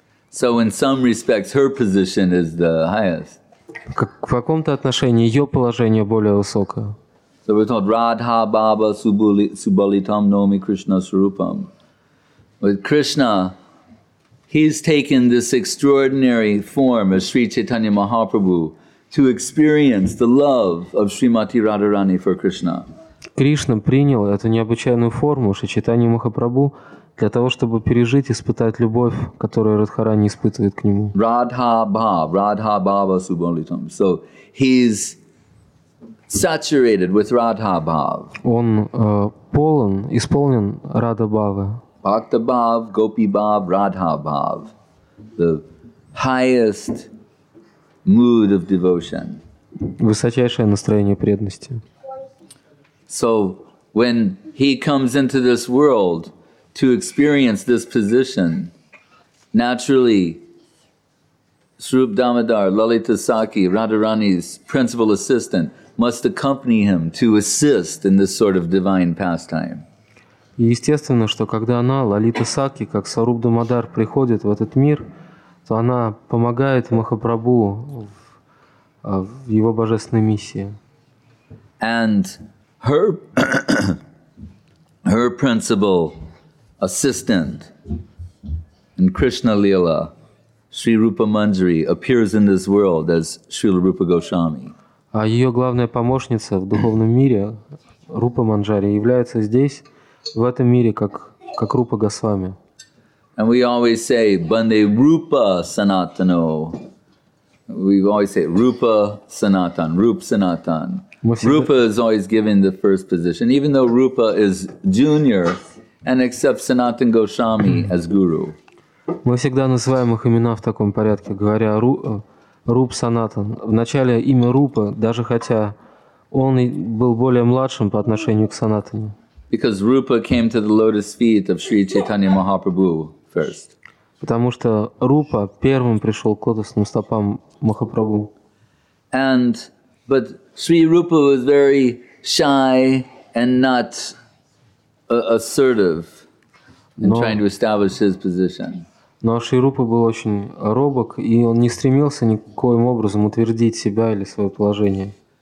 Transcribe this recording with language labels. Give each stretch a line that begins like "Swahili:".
English: So in some respects, her position is the highest.
Russian: В каком-то отношении ее положение более высокое.
English: So we're told Radha Baba Subalitam Nomi Krishna Sarupam. With Krishna, he's taken this extraordinary form of Sri Chaitanya Mahaprabhu to experience the love of Srimati Radharani for Krishna.
Russian: Кришна принял эту необычайную форму Шри Чайтанья Махапрабху для того, чтобы пережить, испытать любовь, которую Радхарани испытывает к нему.
English: Radha Bhav, Radha Bhava Subalitam. So he's saturated with Radha Bhav.
Russian: Он полон, исполнен Radha Bhava.
English: Bhakta Bhav, Gopi Bhav, Radha Bhav, the highest mood of devotion.
Russian: Высочайшее настроение преданности.
English: So when he comes into this world to experience this position, naturally Srup Damodar, Lalita Sakhi, Radharani's principal assistant, must accompany him to assist in this sort of divine pastime.
Russian: И естественно, что когда она, Лалита Сакхи, как Сваруп Дамодар, приходит в этот мир, то она помогает Махапрабху в его божественной миссии.
English: And her, her principal assistant in Krishna Lila, Sri Rupa Manjari, appears in this world as Srila Rupa Goswami.
Russian: А ее главная помощница в духовном мире, Рупа Манджари, является здесь, в этом мире, как Рупа Госвами.
English: And we always say Банде Рупа Санатано. We always say Рупа Санатан, Руп Санатан. Рупа is always given the first position, even though Рупа is junior and accepts Санатан Госвами as guru.
Russian: Мы всегда называем их имена в таком порядке, говоря Руп Санатан. Вначале имя Рупа, даже хотя он был более младшим по отношению к Санатане.
English: Because Rupa came to the lotus feet of Sri Chaitanya Mahaprabhu first.
Russian: Потому что Рупа первым пришел к лотосным стопам Махапрабху.
English: And but Sri Rupa was very shy and not assertive in trying to establish his position.
Russian: Но Шри Рупа был очень робок, и он не стремился никоим образом утвердить себя или свое положение.